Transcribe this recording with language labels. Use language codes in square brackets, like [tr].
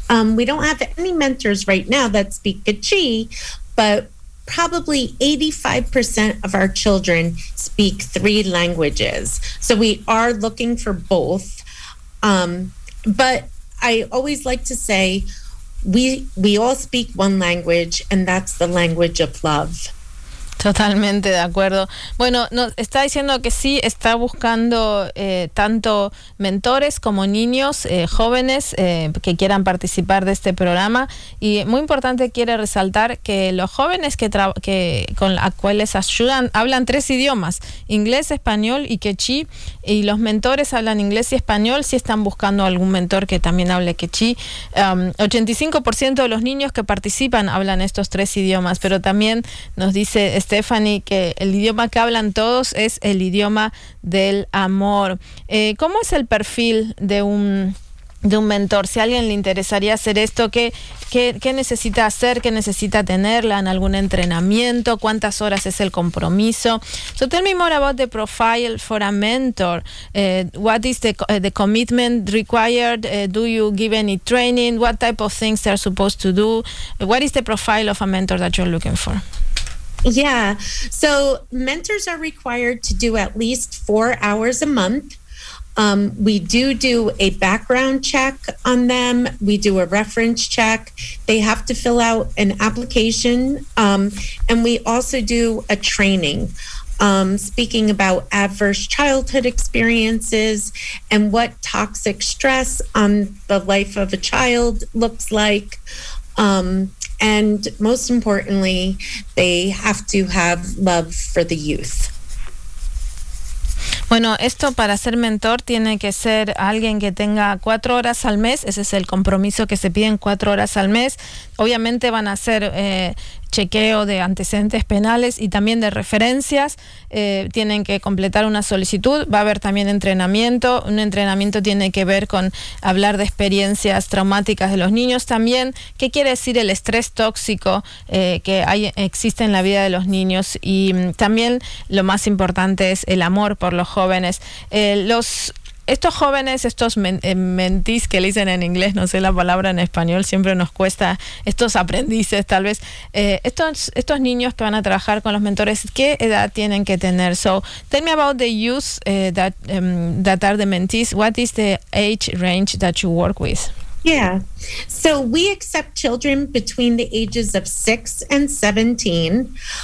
[en] We don't have any mentors right now that speak Kachi, but probably 85% of our children speak three languages. So we are looking for both. But I always like to say, we all speak one language, and that's the language of love. [es] Totalmente de acuerdo. Bueno, nos está diciendo que sí, está buscando tanto mentores como niños, jóvenes que quieran participar de este programa. Y muy importante, quiere resaltar que los jóvenes con los cuales ayudan hablan tres idiomas, inglés, español y quechí. Y los mentores hablan inglés y español. Si están buscando algún mentor que también hable quechí. 85% de los niños que participan hablan estos tres idiomas, pero también nos dice Stephanie que el idioma que hablan todos es el idioma del amor. ¿Cómo es el perfil de un mentor? Si a alguien le interesaría hacer esto, ¿qué necesita hacer? ¿Qué necesita tenerla en algún entrenamiento? ¿Cuántas horas es el compromiso? [en] So tell me more about the profile for a mentor. What is the commitment required? Do you give any training? What type of things they're supposed to do? What is the profile of a mentor that you're looking for? Yeah, so mentors are required to do at least 4 hours a month. We do a background check on them. We do a reference check. They have to fill out an application. And we also do a training, speaking about adverse childhood experiences and what toxic stress on the life of a child looks like. And most importantly, they have to have love for the youth. [es] Bueno, esto para ser mentor tiene que ser alguien que tenga 4 horas al mes. Ese es el compromiso que se piden, 4 horas al mes. Obviamente van a ser chequeo de antecedentes penales y también de referencias. Tienen que completar una solicitud. Va a haber también entrenamiento. Un entrenamiento tiene que ver con hablar de experiencias traumáticas de los niños también. ¿Qué quiere decir el estrés tóxico que existe en la vida de los niños? Y también lo más importante es el amor por los jóvenes. Los estos jóvenes, estos mentees que le dicen en inglés, no sé la palabra en español, siempre nos cuesta, estos aprendices tal vez, estos niños que van a trabajar con los mentores, ¿qué edad tienen que tener? [en] So, tell me about the youth that are the mentees. What is the age range that you work with? Yeah, so we accept children between the ages of 6 and 17.